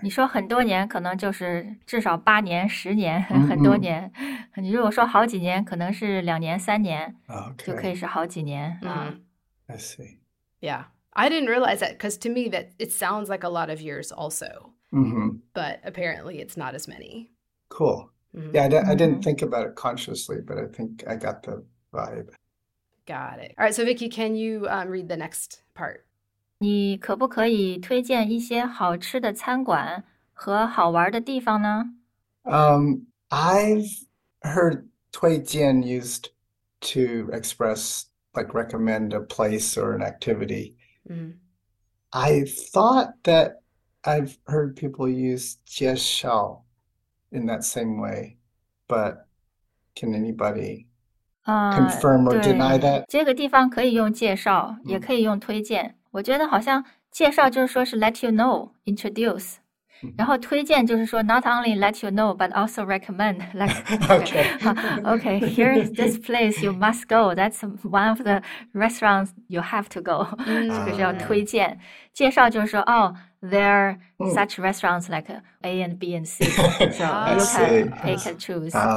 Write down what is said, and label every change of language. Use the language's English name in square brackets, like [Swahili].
[Chinese] 你说很多年，可能就是至少8年、10年，很多嗯年。你如果说好几年，可能是2年、3年，嗯。就可以 [English] Okay. [Chinese] 是好几年啊。 [English] I see. I didn't realize that because to me that it sounds like a lot of years also, but apparently it's not as many. Cool. Yeah, I didn't think about it consciously, but I think I got the vibe. Got it. All right, so Vicky, can you read the next part? [Chinese] 你可不可以推荐一些好吃的餐馆和好玩的地方呢？ [English] I've heard 推荐 used to express like recommend a place or an activity. I thought that I've heard people use 介绍 in that same way, but can anybody confirm or deny [Chinese] 对， [English] that? [Chinese] 这个地方可以用介绍，也可以用推荐。我觉得好像介绍就是说是 [English] let you know, introduce, [Chinese] 然后推荐就是说 [English] not only let you know but also recommend, like okay, here is this place you must go. That's one of the restaurants you have to go. [Chinese] 这个叫推荐，介绍就是说哦 [English] there are such restaurants like A and B and C, so you can pick and choose.